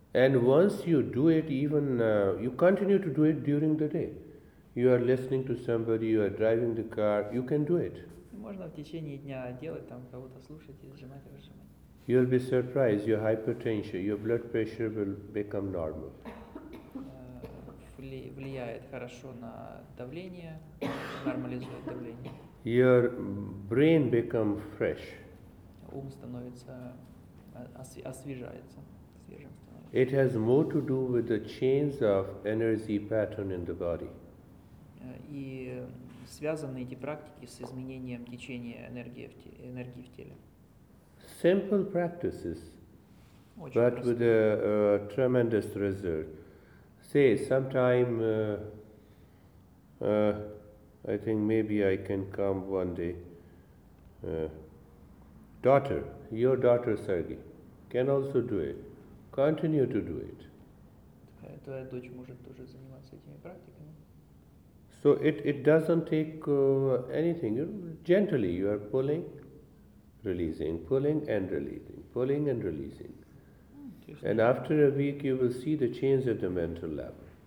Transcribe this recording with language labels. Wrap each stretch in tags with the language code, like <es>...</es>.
<en>And once you do it, even you continue to do it during the day. You are listening to somebody, you are driving the car, you can do it.</en> <ru>Можно в течение дня делать, там кого-то слушать и сжимать.</ru> <en>You will be surprised, your hypertension, your blood pressure will become normal.</en> <ru>Влияет хорошо на давление, нормализует давление.</ru> <en>Your brain become fresh.</en> <ru>Ум становится, освежается, свежим становится.</ru> <en>It has more to do with the change of energy pattern in the body.</en> <ru>И связаны эти практики с изменением течения энергии в теле.</ru> <en>Simple practices,</en> <ru>очень</ru> <en>but</en> <ru>простые.</ru> <en>With a tremendous result. Say, sometime, I think maybe I can come one day. Daughter, your daughter Sergei, can also do it. Continue to do it.</en> <ru>Твоя дочь может тоже заниматься этими практиками.</ru> <en>So it doesn't take anything. Gently you are pulling, releasing, pulling and releasing, pulling and releasing. And after a week you will see the change at the mental level.</en>